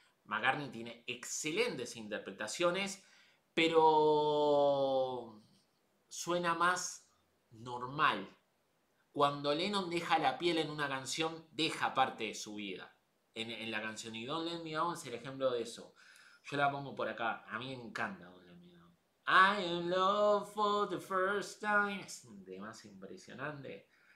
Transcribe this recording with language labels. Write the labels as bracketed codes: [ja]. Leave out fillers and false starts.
[es] McCartney tiene excelentes interpretaciones, pero suena más normal. Cuando Lennon deja la piel en una canción, deja parte de su vida en la canción. Y Don't Let Me Down es el ejemplo de eso. Yo la pongo por acá. A mí me encanta. [en] I am love for the first time. [es] Es un tema impresionante.